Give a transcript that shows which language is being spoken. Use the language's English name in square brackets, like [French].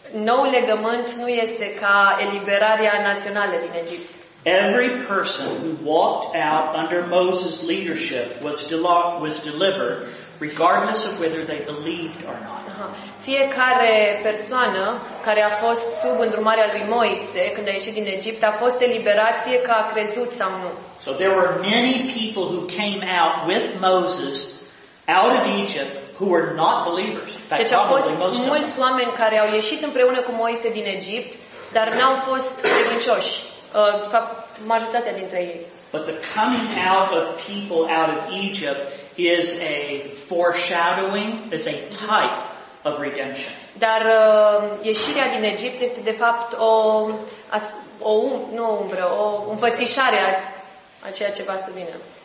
[Romanian] Noul legământ nu este ca eliberarea națională din Egipt. [English] Every person who walked out under Moses' leadership was delivered regardless of whether they believed or not. [Romanian] Fiecare persoană care a fost sub îndrumarea lui Moise când a ieșit din Egipt a fost eliberat fie că a crezut sau nu. [English] So there were many people who came out with Moses out of Egypt who were not believers. In fact, [Romanian] deci au fost mulți oameni care au ieșit împreună cu Moise din Egipt, dar n-au fost credincioși. Majoritatea dintre ei. [English] But the coming out of people out of Egypt is a foreshadowing, it's a type of redemption. [Romanian] Dar ieșirea din Egipt este de fapt o înfățișare a ceea ce va să vină.